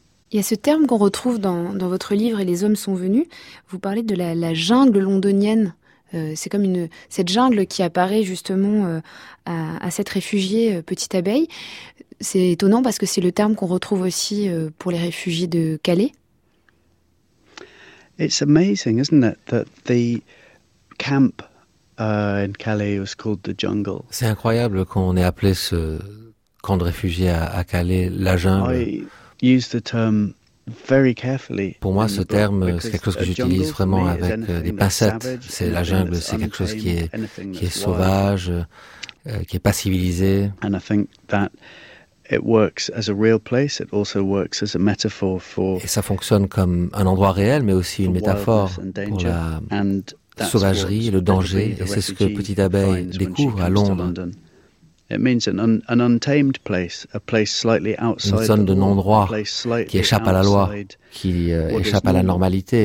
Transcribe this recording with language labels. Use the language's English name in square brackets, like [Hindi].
[French] Il y a ce terme qu'on retrouve dans votre livre « Et les hommes sont venus ». Vous parlez de la jungle londonienne. C'est comme cette jungle qui apparaît justement à cette réfugiée Petite Abeille. C'est étonnant parce que c'est le terme qu'on retrouve aussi pour les réfugiés de Calais. [English] It's amazing, isn't it, that the camp in Calais was called the jungle. [French] C'est incroyable qu'on ait appelé ce camp de réfugiés à Calais la jungle. Pour moi, ce terme, c'est quelque chose que j'utilise vraiment avec des pincettes. C'est la jungle, c'est quelque chose qui est sauvage, qui n'est pas civilisé. [English] And I think that it works as a real place. It also works as a metaphor for. [French] Et ça fonctionne comme un endroit réel, mais aussi une métaphore pour la sauvagerie, le danger. Et c'est ce que Petite Abeille découvre à Londres. [English] It means an untamed place, a place slightly outside. [French] Une zone de non-droit qui échappe à la loi, qui échappe à la normalité.